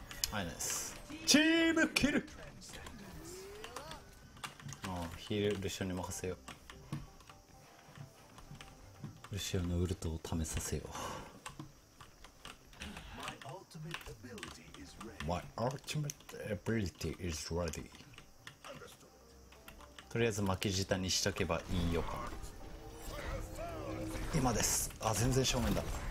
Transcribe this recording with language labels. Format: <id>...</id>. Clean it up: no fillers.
<ja>はい、ナイス。チームキル。ヒールルシオに任せよう。ルシオのウルトを試させよう。</ja> <en>My ultimate ability is ready.</en> <ja>とりあえず巻き舌にしとけばいいよか。今です。あ、全然正面だ。</ja>